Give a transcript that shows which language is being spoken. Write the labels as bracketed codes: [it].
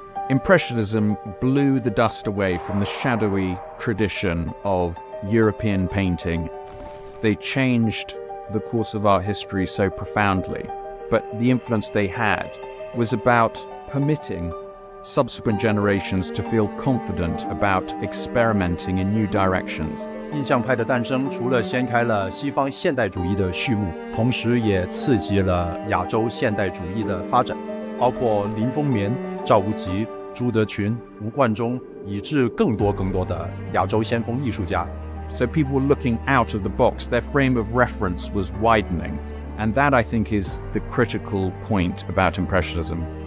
[en] Impressionism blew the dust away from the shadowy tradition of European painting. They changed the course of art history so profoundly, but the influence they had was about permitting subsequent generations to feel confident about experimenting in new directions. [zh] 印象派的诞生除了掀开了西方现代主义的序幕，同时也刺激了亚洲现代主义的发展，包括林风眠、赵无极、朱德群、吴冠中，以至更多更多的亚洲先锋艺术家。 [en] So people were looking out of the box, their frame of reference was widening. And that, I think, is the critical point about Impressionism.